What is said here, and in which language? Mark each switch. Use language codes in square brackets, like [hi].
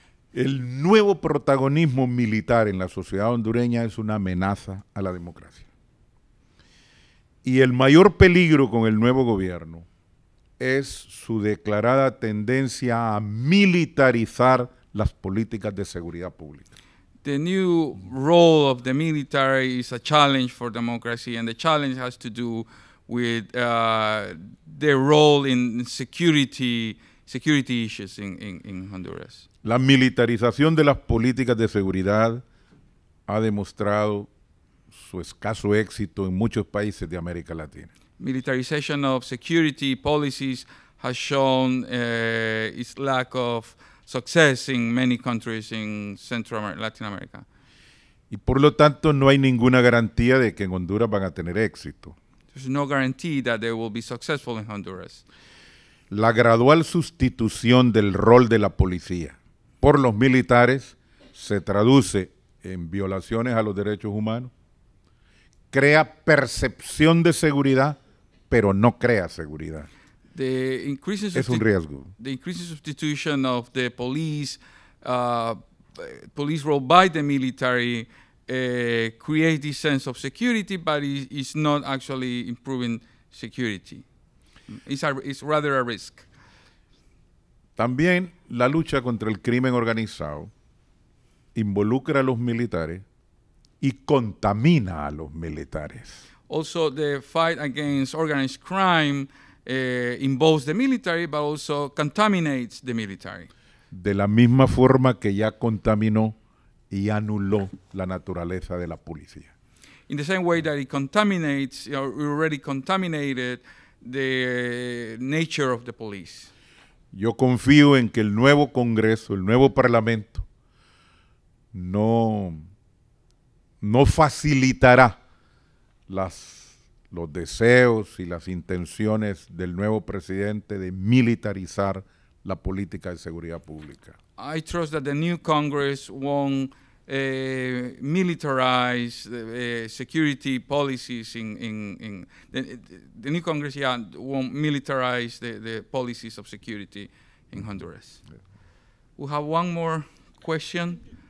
[es] El nuevo protagonismo militar en la sociedad hondureña es una amenaza a la democracia. Y el mayor peligro con el nuevo gobierno es su declarada tendencia a militarizar las políticas de seguridad pública. [en] The new role of the military is a challenge for democracy, and the challenge has to do with their role in security issues in Honduras. [es] La militarización de las políticas de seguridad ha demostrado su escaso éxito en muchos países de América Latina. [en] Militarization of security policies has shown its lack of success in many countries in Central America, Latin America. [es] Y por lo tanto, no hay ninguna garantía de que en Honduras van a tener éxito. [en] There's no guarantee that they will be successful in Honduras. [es] La gradual sustitución del rol de la policía por los militares se traduce en violaciones a los derechos humanos, crea percepción de seguridad, pero no crea seguridad. Es un riesgo. [en] The increasing substitution of the police role by the military creates this sense of security, but it's not actually improving security. It's rather a risk. [es] También la lucha contra el crimen organizado involucra a los militares y contamina a los militares. [en] Also, the fight against organized crime involves the military, but also contaminates the military. [es] De la misma forma que ya contaminó y anuló la naturaleza de la policía. [en] In the same way that it contaminates, already contaminated the nature of the police. [es] Yo confío en que el nuevo Congreso, el nuevo Parlamento, no facilitará los deseos y las intenciones del nuevo presidente de militarizar la política de seguridad pública. [en] I trust that the new Congress won't militarize security policies in the new Congress, yeah, won't militarize the policies of security in Honduras. Yeah. We have one more question.